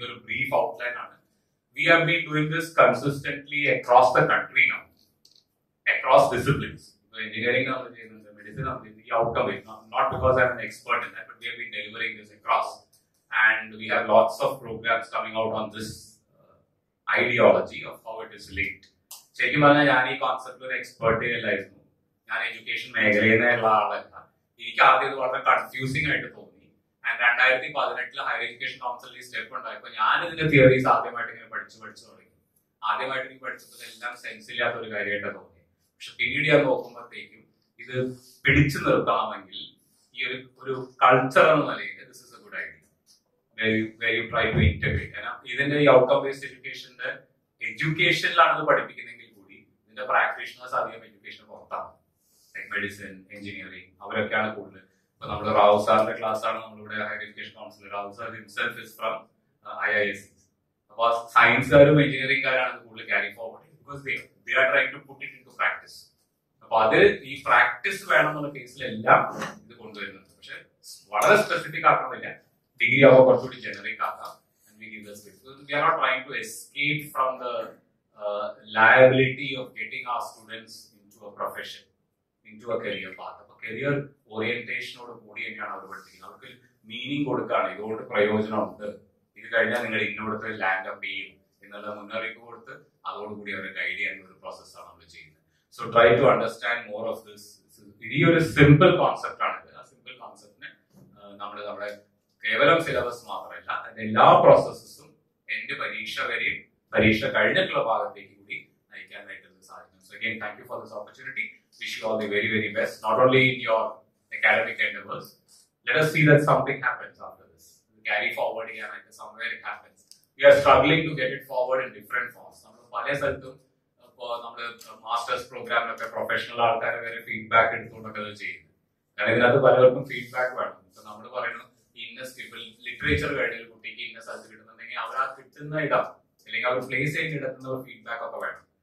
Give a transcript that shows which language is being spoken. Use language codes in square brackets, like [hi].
[ml] Oru brief outline aanu. [en] We have been doing this consistently across the country now, across disciplines. So engineering now, medicine now, the outcome is not because I'm an expert in that, but we have been delivering this across, and we have lots of programs coming out on this ideology of how it is linked. [ml] ശരിക്കും പറഞ്ഞാൽ ഞാൻ ഈ കോൺസെപ്റ്റിൽ ഒരു expert ചെയ്യലായിരുന്നു. ഞാൻ education മേഖലയിൽ നിന്നുള്ള ആളല്ല. എനിക്ക് ആദ്യം ഇത് വളരെ കൺഫ്യൂസിംഗ് ആയിട്ട് തോന്നി. ആൻഡ് 2018 ഹയർ എഡ്യൂക്കേഷൻ കൗൺസിലിൽ സ്റ്റെപ്പ് ഉണ്ടായപ്പോൾ ഞാൻ ഇതിന്റെ തിയറീസ് ആദ്യമായിട്ട് ഇങ്ങനെ പഠിച്ചു പഠിച്ചു തുടങ്ങി. ആദ്യമായിട്ട് എനിക്ക് പഠിച്ചപ്പോൾ എല്ലാം സെൻസ് ഇല്ലാത്തൊരു കാര്യമായിട്ടാണ് തോന്നി. പക്ഷെ പിന്നീട് ഞാൻ നോക്കുമ്പോഴത്തേക്കും ഇത് പിടിച്ചു നിർത്താമെങ്കിൽ ഈ ഒരു ഒരു കൾച്ചർ എന്ന നിലയിൽ [en] This is a good idea where you try to integrate. [ml] ഇതിന്റെ ഈ ഔട്ട്കം ബേസ്ഡ് എഡ്യൂക്കേഷന്റെ എഡ്യൂക്കേഷനിലാണ് ഇത് പഠിപ്പിക്കുന്നതെങ്കിൽ കൂടി ഇതിന്റെ പ്രാക്ടീഷണേഴ്സ് അധികം എഡ്യൂക്കേഷന് പുറത്താണ്. ലൈക് മെഡിസിൻ, എഞ്ചിനീയറിംഗ് അവരൊക്കെയാണ് കൂടുതൽ. ഇപ്പൊ നമ്മുടെ റാവു സാറിന്റെ ക്ലാസ്സാണ് നമ്മളിവിടെ higher education councillor. [en] Rao sir himself is from IIS. [ml] അപ്പൊ സയൻസുകാരും എഞ്ചിനീയറിംഗ് കാരാണ് കൂടുതൽ carry forward. [en] Because they are trying to put it into practice. [ml] അപ്പൊ അത് ഈ പ്രാക്ടീസ് വേണമെന്നുള്ള കേസിലെല്ലാം ഇത് കൊണ്ടുവരുന്നത്. പക്ഷെ വളരെ സ്പെസിഫിക് ആക്കണമെന്നില്ല, ഡിഗ്രി ആവുമ്പോൾ കുറച്ചുകൂടി ജനറിക് ആക്കാം. [en] We are not try to escape from the liability of getting a students into a profession, into a career path. [ml] അപ്പൊ കരിയർ ഓറിയന്റേഷനോട് കൂടിയൊക്കെയാണ് അവർ പഠിപ്പിക്കുന്നത്. അവർക്ക് മീനിങ് കൊടുക്കുകയാണ്, ഇതുകൊണ്ട് പ്രയോജനം ഉണ്ട്, ഇത് കഴിഞ്ഞാൽ നിങ്ങൾ ഇന്നോടത്ത് ലാൻഡ് അപ്പ് ചെയ്യും എന്നുള്ള മുന്നറിയിപ്പ് കൊടുത്ത് അതോടുകൂടി അവരെ ഗൈഡ് ചെയ്യാൻ ഒരു പ്രോസസ്സാണ് നമ്മൾ ചെയ്യുന്നത്. [en] So try to understand more of this. [ml] ഈ ഒരു സിമ്പിൾ കോൺസെപ്റ്റ് ആണ് ഇത്. ആ സിമ്പിൾ കോൺസെപ്റ്റിന് നമ്മൾ നമ്മുടെ കേവലം സിലബസ് മാത്രമല്ല, അതിന്റെ എല്ലാ പ്രോസസ്സും എൻഡ് പരീക്ഷ വരെയും പരീക്ഷ കഴിഞ്ഞിട്ടുള്ള ഭാഗത്തേക്ക് കൂടി നയിക്കാനായിട്ട് സാധിക്കും. [en] So again thank you for this opportunity. Wish you all the very very best, not only in your academic endeavours. Let us see that something happens after this. Carry forward here, like somewhere it happens. We are struggling to get it forward in different forms. [ml] നമ്മള് പല സ്ഥലത്തും ഇപ്പോ നമ്മുടെ masters പ്രോഗ്രാമിലൊക്കെ professional ആൾക്കാരെ വരെ feedback എടുത്തുകൊണ്ടൊക്കെ ചെയ്യുന്നത്, കാരണം ഇതിനകത്ത് പലർക്കും ഫീഡ്ബാക്ക് വേണം. ഇപ്പൊ നമ്മൾ പറയുന്നു ഇന്ന സ്കിപ്പിൾ ലിറ്ററേച്ചർ കഴിഞ്ഞ ഒരു കുട്ടിക്ക് ഇന്ന സ്ഥലത്ത് കിട്ടുന്നുണ്ടെങ്കിൽ അവർ ആ കിട്ടുന്ന ഇടം അല്ലെങ്കിൽ അവർ പ്ലേസ് ചെയ്ത് ഇടത്തുന്ന ഒരു ഫീഡ്ബാക്ക് ഒക്കെ വേണം.